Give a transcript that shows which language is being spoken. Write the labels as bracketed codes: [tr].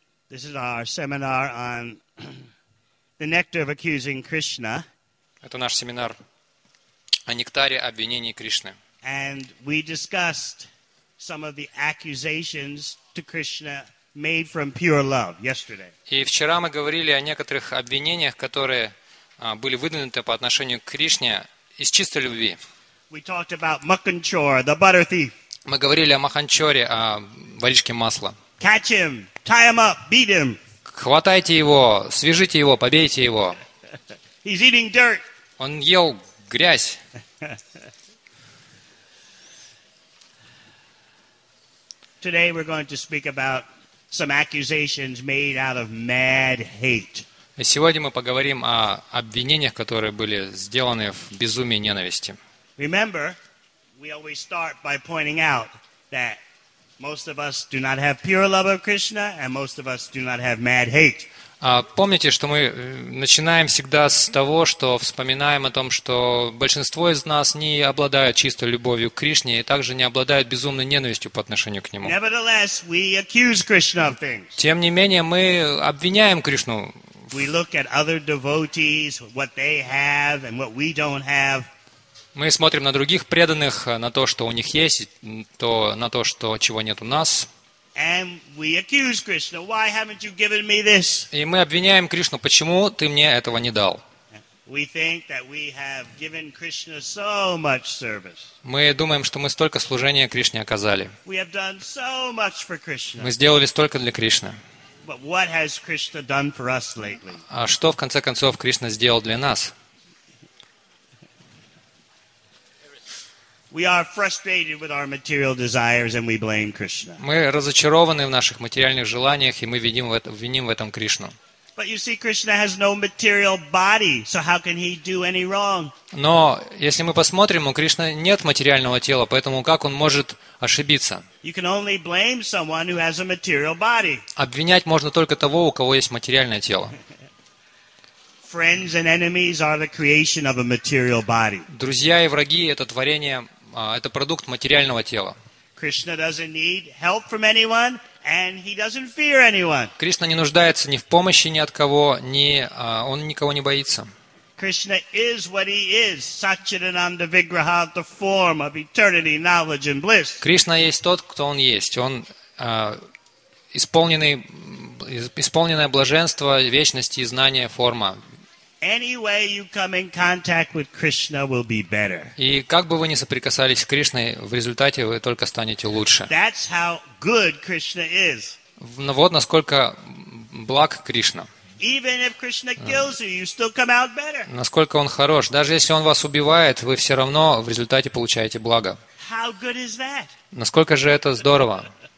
[en] This is our seminar on the nectar of accusing Krishna. [ru] Это наш семинар о нектаре обвинений Кришны. [en] And we discussed some of the accusations to Krishna made from pure love yesterday. [ru] И вчера мы говорили о некоторых обвинениях, которые были выдвинуты по отношению к Кришне из чистой любви. [en] We talked about Makanchor, the butter thief. [ru] Мы говорили о Маханчоре, о воришке масла. [en] Catch him, tie him up, beat him. [ru] Хватайте его, свяжите его, побейте его. [en] He's eating dirt. [ru] Он ел грязь. [en] Today we're going to speak about some accusations made out of mad hate. [ru] Сегодня мы поговорим о обвинениях, которые были сделаны в безумии ненависти. [en] Remember, we always start by pointing out that most of us do not have pure love of Krishna, and most of us do not have mad hate. [ru] Помните, что мы начинаем всегда с того, что вспоминаем о том, что большинство из нас не обладают чистой любовью к Кришне и также не обладают безумной ненавистью по отношению к Нему. [en] Nevertheless, we accuse Krishna of things. [ru] Тем не менее, мы обвиняем Кришну. [en] We look at other devotees, what they have and what we don't have. [ru] Мы смотрим на других преданных, на то, что у них есть, то, на то, что, чего нет у нас. [en] And we accuse Krishna, why haven't you given me this? [ru] И мы обвиняем Кришну, почему ты мне этого не дал? [en] We think that we have given Krishna so much service. [ru] Мы думаем, что мы столько служения Кришне оказали. [en] We have done so much for Krishna. [ru] Мы сделали столько для Кришны. [en] But what has Krishna done for us lately? [ru] А что, в конце концов, Кришна сделал для нас? [en] We are frustrated with our material desires and we blame Krishna. [ru] Мы разочарованы в наших материальных желаниях и мы виним в этом Кришну. [en] But you see, Krishna has no material body, so how can he do any wrong? [ru] Но если мы посмотрим, у Кришны нет материального тела, поэтому как он может ошибиться? [en] You can only blame someone who has a material body. [ru] Обвинять можно только того, у кого есть материальное тело. [en] Friends and enemies are the creation of a material body. [ru] Друзья и враги – это творение, это продукт материального тела. [en] Krishna doesn't need help from anyone, and he doesn't fear anyone. [ru] Кришна не нуждается ни в помощи ни от кого, ни он никого не боится. [en] Krishna is what he is, Satchidananda Vigraha, the form of eternity, knowledge, and bliss. [ru] Кришна есть тот, кто он есть. Он исполненное блаженство, вечность и знание, форма. [en] Any way you come in contact with Krishna will be better. [ru] И как бы вы ни соприкасались с Кришной, в результате вы только станете лучше. [en] That's how good Krishna is. [ru] Вот насколько благ Кришна. [en] Even if Krishna kills you, you still come out better. [ru] Насколько он хорош, даже если он вас убивает, вы все равно в результате получаете благо. [en] How good is that? [ru] Насколько же это здорово.